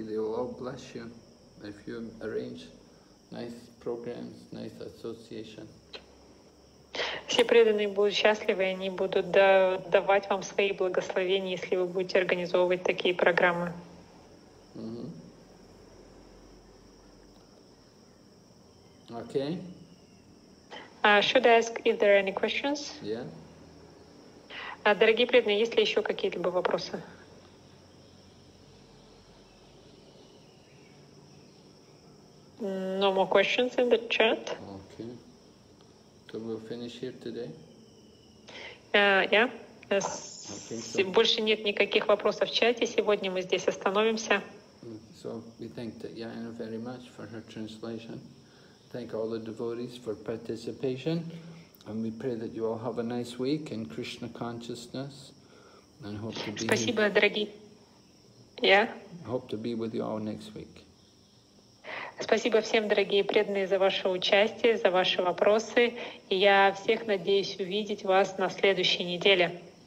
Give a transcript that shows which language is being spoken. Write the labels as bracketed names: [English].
[English] They will all bless you if you arrange nice programs, nice association. [Russian] Все преданные будут счастливы, они будут давать вам свои благословения, если вы будете организовывать такие программы. [English] Okay. Should I ask if there are any questions? Yeah. [Russian] Дорогие преданные, есть ли еще какие-либо вопросы? [English] No more questions in the chat. Okay. So we'll finish here today? Okay, so. [Russian] Больше нет никаких вопросов в чате. Сегодня мы здесь остановимся. [English] So we thank Tatyana very much for her translation. Thank all the devotees for participation. And we pray that you all have a nice week in Krishna consciousness, and hope to be. [Russian] Спасибо, дорогие. Yeah. [English] Hope to be with you all next week. [Russian] Спасибо всем, дорогие преданные, за ваше участие, за ваши вопросы. И я всех надеюсь увидеть вас на следующей неделе.